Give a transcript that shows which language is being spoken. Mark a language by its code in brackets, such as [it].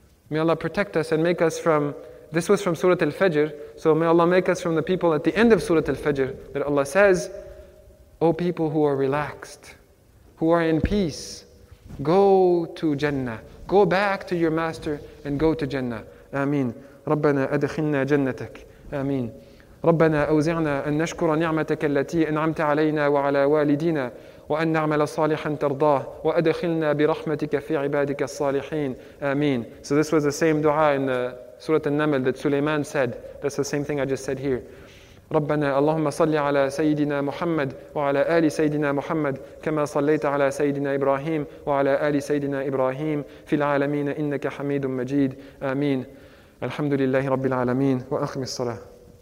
[en] May Allah protect us and make us from... This was from Surah Al-Fajr, so may Allah make us from the people at the end of Surah Al-Fajr, that Allah says, O people who are relaxed, who are in peace, go to Jannah. Go back to your Master and go to Jannah. [ar] Ameen. رَبَّنَا أَدْخِلْنَا جَنَّتَكَ Ameen. رَبَّنَا أَوْزِعْنَا أَن نَشْكُرَ نِعْمَتَكَ الَّتِي أَنْعَمْتَ عَلَيْنَا وَعَلَى وَالِدِينَا وأن نعمل صالحا ترضاه وأدخلنا برحمتك في عبادك الصالحين آمين. [en] So this was the same dua in the Surah An-Naml that Sulaiman said. That's the same thing I just said here. [ar] ربنا اللهم صل على سيدنا محمد وعلى آل سيدنا محمد كما صليت على سيدنا إبراهيم وعلى آل سيدنا إبراهيم في العالمين إنك حميد مجيد آمين. الحمد لله رب العالمين وأقم الصلاة.